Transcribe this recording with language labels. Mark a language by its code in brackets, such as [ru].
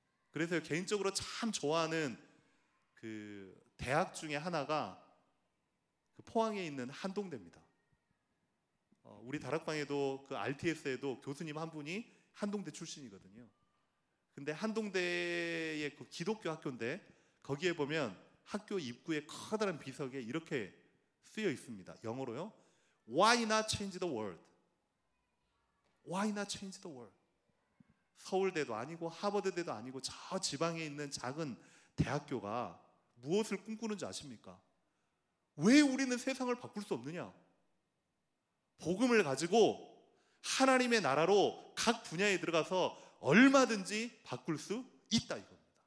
[ko] 그래서 개인적으로 참 좋아하는 그 대학 중에 하나가 포항에 있는 한동대입니다. 우리 다락방에도 그 RTS에도 교수님 한 분이 한동대 출신이거든요. 근데 한동대의 그 기독교 학교인데 거기에 보면 학교 입구에 커다란 비석에 이렇게 쓰여 있습니다. 영어로요. [en] Why not change the world? Why not change the world? [ko] 서울대도 아니고 하버드대도 아니고 저 지방에 있는 작은 대학교가 무엇을 꿈꾸는지 아십니까? 왜 우리는 세상을 바꿀 수 없느냐? 복음을 가지고 하나님의 나라로 각 분야에 들어가서 얼마든지 바꿀 수 있다 이겁니다.